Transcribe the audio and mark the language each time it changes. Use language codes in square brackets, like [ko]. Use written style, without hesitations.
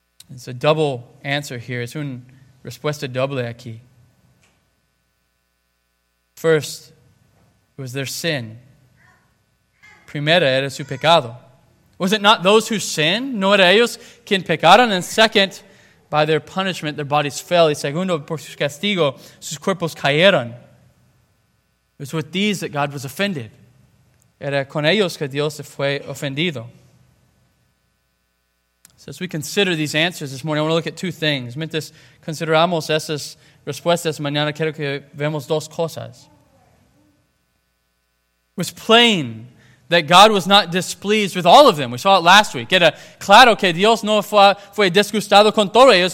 [en] It's a double answer here. It's [es] una respuesta doble aquí. [en] First, it was their sin. [es] Primera, era su pecado. [en] Was it not those who sinned? [es] No era ellos quien pecaron. [en] And second, by their punishment, their bodies fell. [es] Y segundo, por su castigo, sus cuerpos cayeron. [en] It was with these that God was offended. [es] Era con ellos que Dios se fue ofendido. [en] So as we consider these answers this morning, I want to look at two things. [es] Mientras consideramos esas respuestas mañana, quiero que veamos dos cosas. [en] It was plain that God was not displeased with all of them. We saw it last week. [es] Era claro que Dios no fue disgustado con todos ellos.